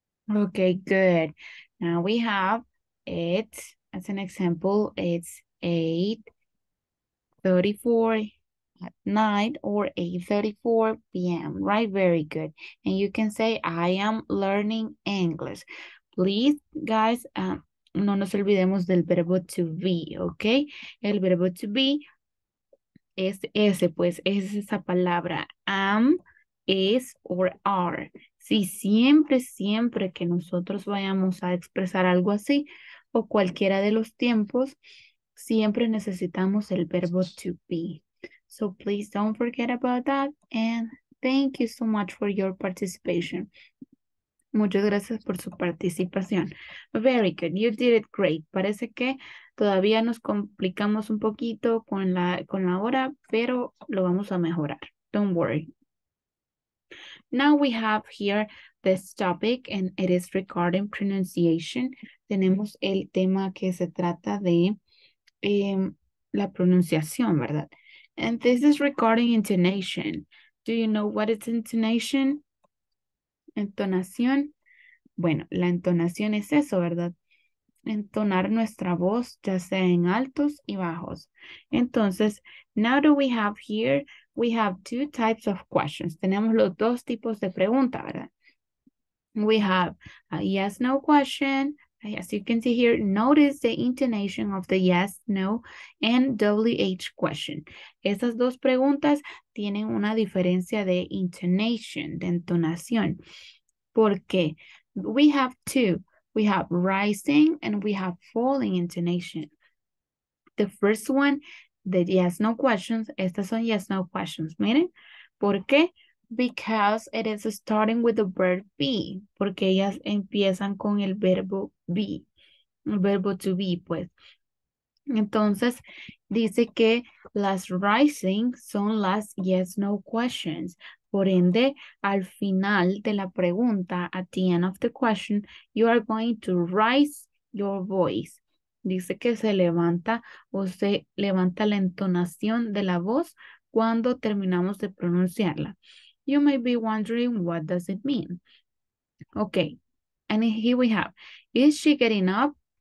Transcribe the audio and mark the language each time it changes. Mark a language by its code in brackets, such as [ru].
[en] Okay, good. Now we have it as an example. It's 8:34 at night or 8:34 p.m. Right? Very good. And you can say, I am learning English. Please, guys, [es] no nos olvidemos del verbo to be, okay? El verbo to be es ese, pues, es esa palabra. Am, is, or are. Sí, siempre, siempre que nosotros vayamos a expresar algo así o cualquiera de los tiempos, siempre necesitamos el verbo to be. [en] So please don't forget about that and thank you so much for your participation. [es] Muchas gracias por su participación. [en] Very good. You did it great. [es] Parece que todavía nos complicamos un poquito con la hora, pero lo vamos a mejorar. [en] Don't worry. Now we have here this topic and it is regarding pronunciation. [es] Tenemos el tema que se trata de la pronunciación, ¿verdad? [en] And this is regarding intonation. Do you know what is intonation? [es] Entonación. Bueno, la entonación es eso, ¿verdad? Entonar nuestra voz, ya sea en altos y bajos. [en] Entonces, now do we have here... We have two types of questions. [es] Tenemos los dos tipos de preguntas, ¿verdad? [en] We have a yes, no question As you can see here, notice the intonation of the yes, no, and WH question. [es] Esas dos preguntas tienen una diferencia de intonation, de entonación. ¿Por qué? [en] We have two. We have rising and we have falling intonation. The first one, the yes, no questions. Estas son yes, no questions. [es] Miren, ¿por qué? [en] Because it is starting with the verb be. [es] Porque ellas empiezan con el verbo be. El verbo to be, pues. Entonces, dice que las rising son las yes, no questions. Por ende, al final de la pregunta, at the end of the question, you are going to raise your voice. Dice que se levanta o se levanta la entonación de la voz cuando terminamos de pronunciarla. [en] You may be wondering, what does it mean? Okay, and here we have, is she getting up?